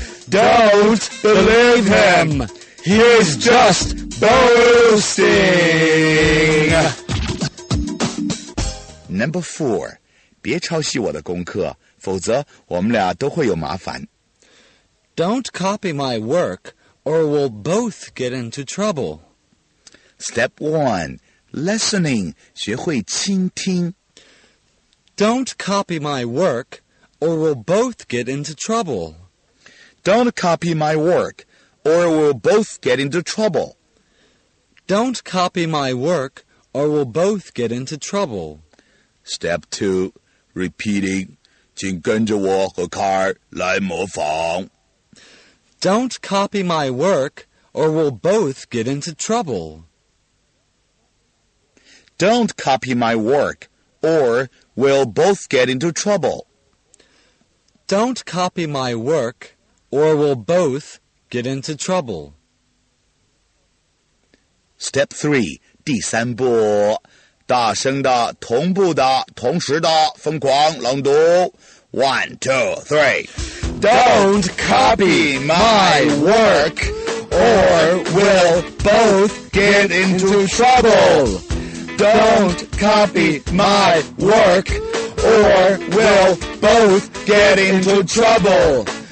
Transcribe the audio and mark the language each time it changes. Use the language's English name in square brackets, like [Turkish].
[English] Don't believe him, he's justBoasting! Number 4. [Chinese] 别抄袭我的功课,否则我们俩都会有麻烦。 [English] Don't copy my work, or we'll both get into trouble. Step 1. Listening, [Chinese] 学会倾听。 [English] Don't copy my work, or we'll both get into trouble. Don't copy my work, or we'll both get into trouble. Don't copy my work, or we'll both get into trouble. Step 2, repeating. [Chinese] 请跟着我和卡尔来模仿。 [English] Don't copy my work, or we'll both get into trouble. Don't copy my work, or we'll both get into trouble. Don't copy my work, or we'll both get into trouble. Step 3, [Chinese] 第三步,大声的,同步的,同时的,疯狂朗读。 [English] One, two, three. Don't copy my work, or we'll both get into trouble. Don't copy my work, or we'll both get into trouble.